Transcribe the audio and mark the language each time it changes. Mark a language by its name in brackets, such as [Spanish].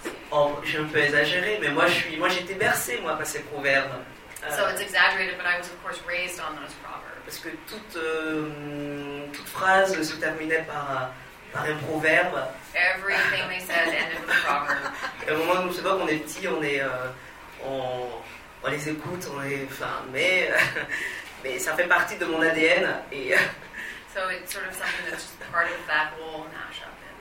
[French] Oh, je peux exagérer, mais moi j'étais bercée moi par ces proverbes. [English] So it's exaggerated, but I was of course raised on those proverbs. [French] Parce que toute phrase se terminait par un proverbe. [English] Everything they said ended with a proverb. [French] Et au moment où c'est pas qu'on est petit, on est on les écoute, on est enfin mais ça fait partie de mon ADN et. [English] So it's sort of something that's just part of that whole mashup.